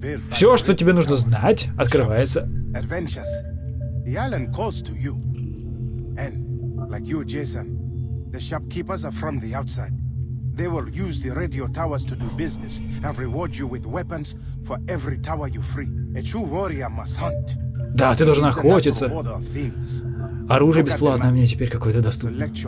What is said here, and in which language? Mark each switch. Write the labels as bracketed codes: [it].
[ru] Все, что тебе нужно знать, открывается. [en] Adventures. The island calls to you. And, like you, Jason, the shopkeepers are from the outside. They will use the radio towers to do business and reward you with weapons for every tower you free. A true warrior must hunt. [ru] Да, ты должен охотиться. Оружие бесплатное, мне теперь какое-то доступно.